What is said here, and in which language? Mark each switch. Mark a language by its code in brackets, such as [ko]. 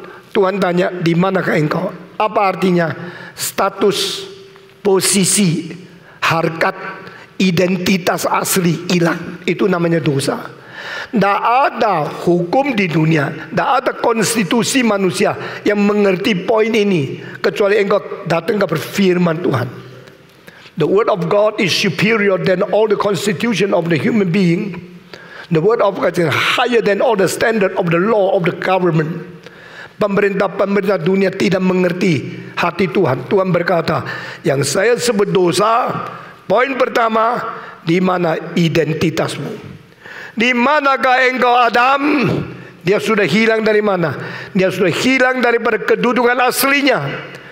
[id] Tuhan tanya di manakah engkau. Apa artinya status, posisi, harkat, identitas asli hilang. Itu namanya dosa. Tidak ada hukum di dunia, tidak ada konstitusi manusia yang mengerti poin ini kecuali engkau datang ke firman Tuhan. [en] The word of God is superior than all the constitution of the human being. The word of God is higher than all the standard of the law of the government. [id] Pemerintah-pemerintah dunia tidak mengerti hati Tuhan. Tuhan berkata, yang saya sebut dosa, poin pertama, di mana identitasmu? Di manakah engkau Adam? Dia sudah hilang dari mana? Dia sudah hilang daripada kedudukan aslinya.